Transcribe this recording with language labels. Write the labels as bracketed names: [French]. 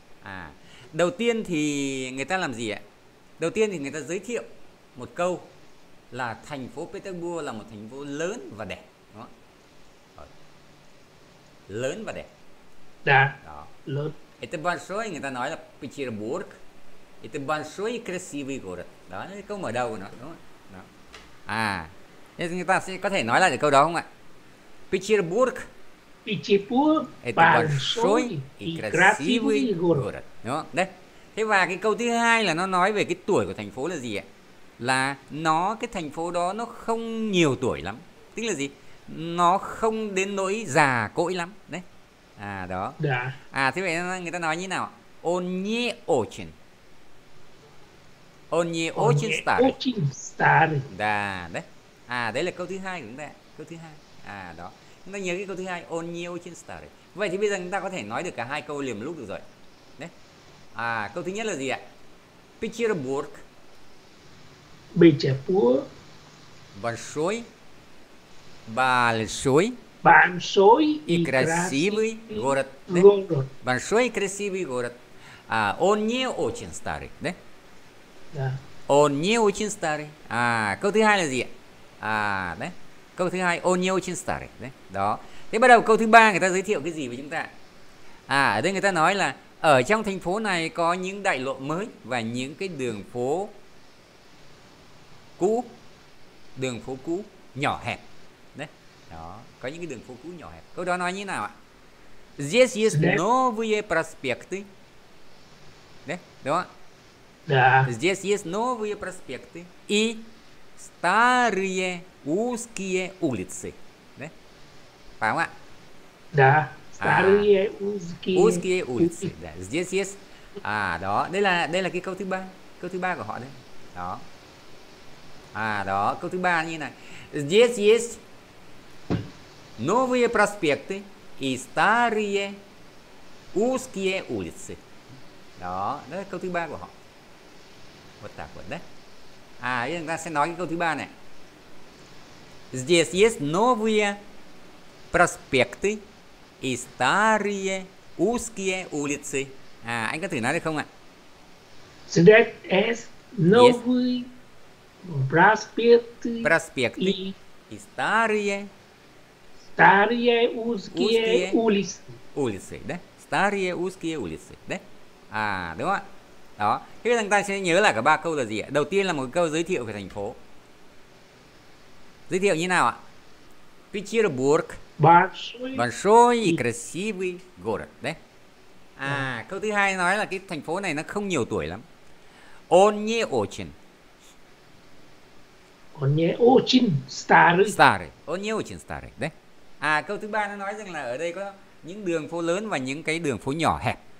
[Vietnamese] À, đầu tiên thì người ta làm gì ạ? Đầu tiên thì người ta giới thiệu một câu là thành phố Petersburg là một thành phố lớn và đẹp. Đó. Lớn và đẹp. Đã. Đó. Lớn. [Russian] Это большой, [Vietnamese] người ta nói là Петербург. [Russian] Это большой и красивый город. [Vietnamese] Đó là câu mở đầu của nó, đúng không? Đó. À. Thế người ta sẽ có thể nói lại được câu đó không ạ? [Russian] Петербург. Петербург большой и красивый город. [Vietnamese] Đúng không? Đấy. Thế và cái câu thứ hai là nó nói về cái tuổi của thành phố là gì ạ? Là nó cái thành phố đó nó không nhiều tuổi lắm. Tức là gì? Nó không đến nỗi già cỗi lắm, đấy. À đó. Đã. À thế vậy người ta nói như nào? [Russian] Он не очень. Он не очень старый. Очень старый. Да, [Vietnamese] đấy. À đấy là câu thứ hai của chúng ta. Câu thứ hai. À đó. Chúng ta nhớ cái câu thứ hai. [Russian] Он не очень старый. [Vietnamese] Vậy thì bây giờ chúng ta có thể nói được cả hai câu liền một lúc được rồi. Đấy. À câu thứ nhất là gì ạ? Петербург. [Russian] Петербург. Большой. Большой. Большой и красивый город. Город. Большой и красивый город. А он не очень старый, да? Да. Он не очень старый. [Vietnamese] А, câu thứ hai là gì ạ? À, đấy. Câu thứ hai, [Russian] он не очень старый. [Vietnamese] Đấy, đó. Thế bắt đầu câu thứ ba người ta giới thiệu cái gì với chúng ta? À, ở đây người ta nói là ở trong thành phố này có những đại lộ mới và những cái đường phố cũ. Đường phố cũ nhỏ hẹp. Đấy. Đó, có những cái đường phố cũ nhỏ hẹp. Câu đó nói như nào ạ? [English] This is [Russian] новые проспекты. [Vietnamese] Đấy, đúng không ạ? [Russian] Да. Здесь есть новые проспекты и старые узкие улицы. Да? Понял? Да. Старые узкие. Узкие улицы. Да. Здесь есть. [Vietnamese] А, đó. Đây là cái câu thứ ba. Câu thứ ba của họ đây. Đó. À, đó. Câu thứ ba như này. [Russian] Здесь есть новые проспекты и старые узкие улицы. [Vietnamese] Đó. Đây là câu thứ ba của họ. Vật tạp vật đấy. À, chúng ta sẽ nói cái câu thứ ba này. [Russian] Здесь есть новые проспекты и старые узкие улицы. [Vietnamese] À, anh có thử nói được không ạ? [Russian] Здесь есть новые проспекты. Проспекты. И старые. Старые узкие улицы. Улицы, да? Старые узкие улицы, да? А, [Vietnamese] đúng không ạ? Đó, thế chúng ta sẽ nhớ lại cả ba câu là gì ạ? Đầu tiên là một câu giới thiệu về thành phố. Giới thiệu như nào ạ? [Russian] Petersburg, большой красивый город. [Vietnamese] Đấy. À, câu thứ hai nói là cái thành phố này nó không nhiều tuổi lắm. [Russian] Он не очень. Он не очень старый. Старый. Он не очень старый. [Vietnamese] Đấy. À, câu thứ ba nó nói rằng là ở đây có những đường phố lớn và những cái đường phố nhỏ hẹp.